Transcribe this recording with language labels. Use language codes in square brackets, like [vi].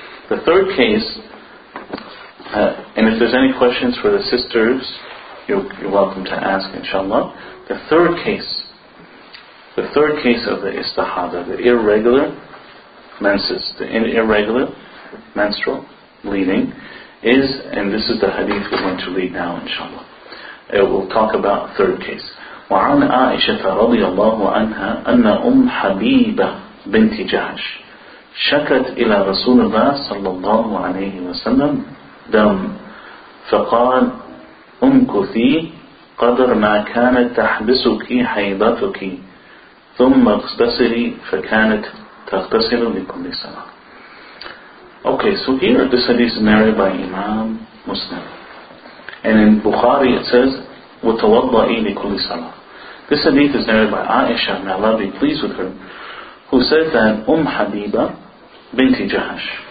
[en] The third case, and if there's any questions for the sisters, you're welcome to ask, inshallah. The third case of the istihada, the irregular menses, the irregular menstrual bleeding, is, and this is the hadith we're going to read now, inshallah. It will talk about third case. [ar] وَعَنْ عَائِشَةَ رَضِيَ اللَّهُ عَنْهَا أَنَّ أُمْ حَبِيبَةَ بِنْتِ جَحْشِ شكت إلى رسول الله صلى الله عليه وسلم دم فقال أمكثي قدر ما كانت تحبسك حيضتك ثم اغتسلي فكانت تغتسل لكل صلاة. [en] Okay, so here this hadith is narrated by Imam Muslim. And in Bukhari it says, [ar] وتوضئي لكل صلاة. [en] This hadith is narrated by Aisha, may Allah be pleased with her, who said that Habiba binti Jahash.